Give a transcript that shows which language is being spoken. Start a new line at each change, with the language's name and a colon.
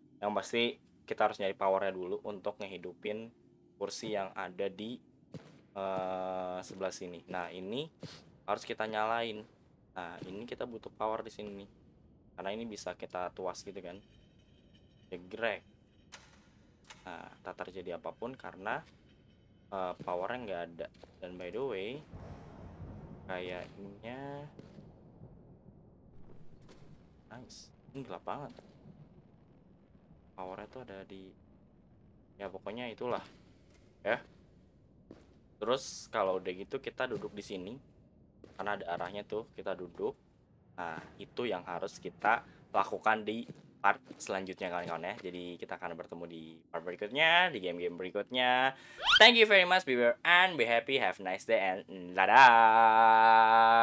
Indonesian: Yang pasti kita harus nyari powernya dulu untuk ngehidupin kursi yang ada di sebelah sini. Nah, ini harus kita nyalain. Nah, ini kita butuh power di sini. Karena ini bisa kita tuas gitu kan. Degrek. Nah, tak terjadi apapun karena powernya nggak ada. Dan
English: by the way,
Indonesian: kayaknya nice. Ini gelap banget. Powernya tuh ada di, ya pokoknya itulah. Ya. Terus kalau udah gitu kita duduk di sini. Karena ada arahnya tuh, kita duduk. Nah, itu yang harus kita lakukan di part selanjutnya kawan-kawan ya. Jadi kita akan bertemu di part berikutnya, di game-game berikutnya.
English: Thank you very much, be well and be happy, have a nice day and dadah.